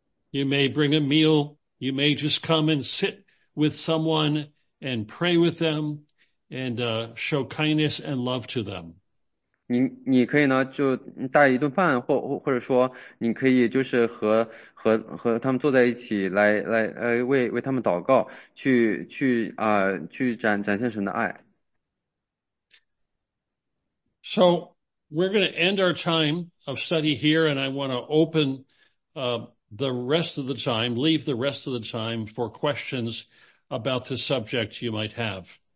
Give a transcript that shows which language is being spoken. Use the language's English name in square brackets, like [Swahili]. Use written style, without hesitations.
[English] You may bring a meal, you may just come and sit with someone and pray with them. And show kindness and love to them. [Chinese] 你可以呢，就带一顿饭，或者说你可以就是和他们坐在一起来为他们祷告，去展现神的爱。 [English] So we're going to end our time of study here, and I want to open the rest of the time, leave the rest of the time for questions about the subject you might have.